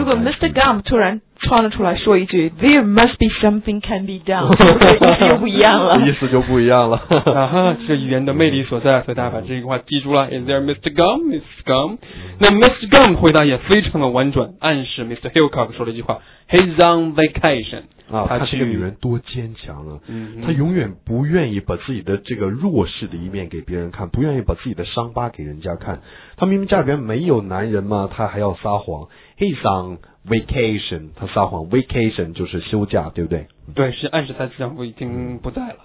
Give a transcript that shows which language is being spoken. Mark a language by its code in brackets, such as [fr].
[zh] 如果 Mr. [en] Gump [zh] 突然穿了出来说一句 [en] ，There must be something can be done， 意思就不一样了。 [zh] 意思就不一样了，这语言的魅力所在，所以大家把这句话记住了。 [en] Is there Mr. Gump? Mrs. Gump？ 那 Mr. [zh] Gump 回答也非常的婉转，暗示 Mr. Hillcock 说了一句话 ： [en] He's on vacation。啊， [zh] 他这个女人多坚强啊！嗯，她永远不愿意把自己的这个弱势的一面给别人看，不愿意把自己的伤疤给人家看。她明明家里边没有男人嘛，她还要撒谎。 [en] He's on vacation， [zh] 她撒谎 ，vacation 就是休假，对不对？对，是暗示她丈夫已经不在了。